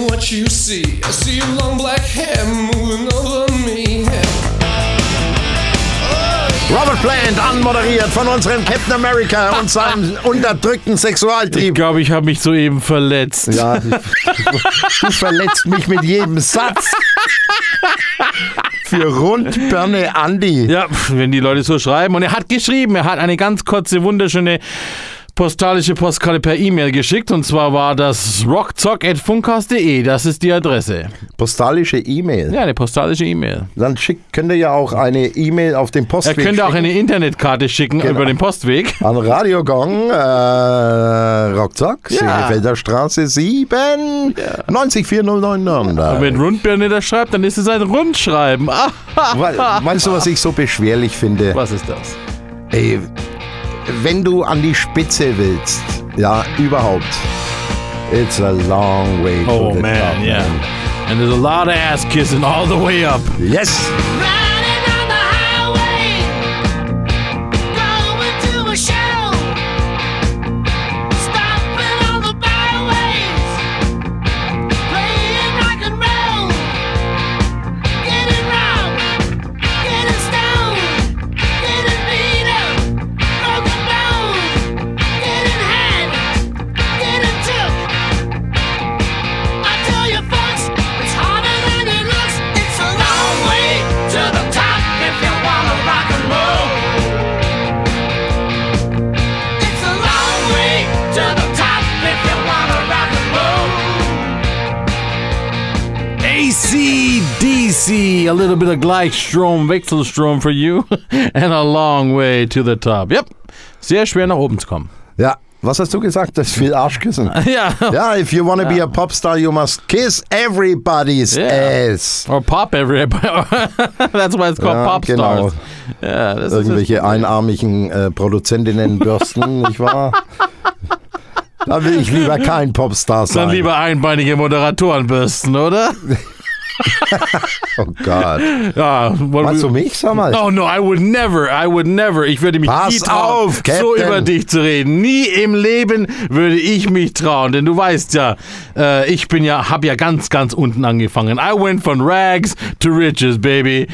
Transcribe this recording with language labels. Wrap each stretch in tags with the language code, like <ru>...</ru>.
<en>You see, I see your long black hair moving over me.</en> <de>Robert Plant, anmoderiert von unserem Captain America und seinem unterdrückten Sexualtrieb. Ich glaube, ich habe mich soeben verletzt. Ja, du verletzt mich mit jedem Satz. Für Rundbirne Andi. Ja, wenn die Leute so schreiben. Und er hat geschrieben, er hat eine ganz kurze, wunderschöne postalische Postkarte per E-Mail geschickt, und zwar war das rockzock@funkhaus.de, das ist die Adresse. Postalische E-Mail? Ja, eine postalische E-Mail. Dann könnt ihr ja auch eine E-Mail auf den Postweg schicken. Er könnte schicken. Auch eine Internetkarte schicken, genau. Über den Postweg. An Radio Gong, Rockzock, Seefelder Straße 7, 90409. Wenn Rundbirne das schreibt, dann ist es ein Rundschreiben. Meinst du, was ich so beschwerlich finde? Was ist das? Ey, wenn du an die Spitze willst, Ja, überhaupt.</de> <en>It's a long way to the top. Oh man, yeah. And there's a lot of ass kissing all the way up. Yes. Riding on the highway, going to a show, stopping on the byways, playing rock and roll, getting rough, getting stoned, getting beat up, broken bones, getting had, getting took. I tell you, folks, it's harder than it looks. It's a long way to the top if you wanna rock and roll. It's a long way to the top if you wanna rock and roll. AC/DC, a little bit of Gleichstrom, Wechselstrom for you, and a long way to the top.</en> <de>Yep, sehr schwer nach oben zu kommen. Ja, was hast du gesagt? Das ist viel Arschkissen. Ja.</de> <en>Ja, if you want to be a pop star, you must kiss everybody's ass. Or pop everybody. That's why it's called pop stars.</en> <de>Genau. Yeah, irgendwelche einarmigen Produzentinnenbürsten, nicht wahr? Da will ich lieber kein Popstar sein. Dann lieber einbeinige Moderatorenbürsten, oder? Oh Gott. Ja, meinst du mich? Sag mal.</de> <en>Oh no, I would never.</en> <de>Ich würde mich pass nie trauen, so über dich zu reden. Nie im Leben würde ich mich trauen. Denn du weißt ja, ich bin ja, hab ja ganz, ganz unten angefangen.</de> <en>I went from rags to riches, baby.</en>